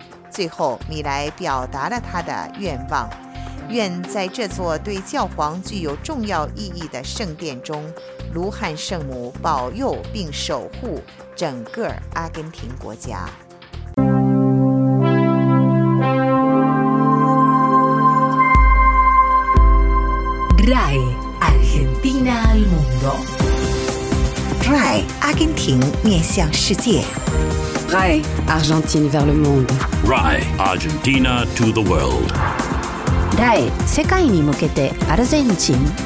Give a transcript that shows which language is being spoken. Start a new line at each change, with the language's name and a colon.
Chinese: 最后，米莱表达了他的愿望，愿在这座对教皇具有重要意义的圣殿中，卢汉圣母保佑并守护整个阿根廷国家。
Spanish: RAI Argentina al mundo.
Chinese: RAI 阿根廷面向世界。
French: RAI Argentine vers le monde.
English: RAI Argentina to the world.
Japanese: RAI 世界に向けてアルゼンチン。